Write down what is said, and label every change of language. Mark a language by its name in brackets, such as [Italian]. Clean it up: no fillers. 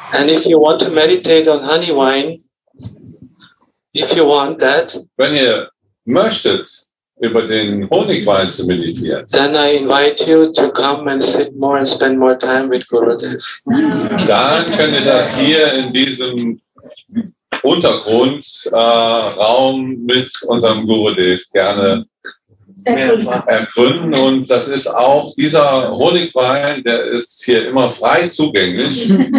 [English] And if you want to meditate on honey wine, if you want that, [German] wenn ihr möchtet, über den Honigwein zu meditieren. [English] Then I invite you to come and sit more and spend more time with Gurudev. [German] Dann könnt ihr das hier in diesem Untergrundraum mit unserem Gurudev gerne ergründen. Und das ist auch dieser Honigwein, der ist hier immer frei zugänglich.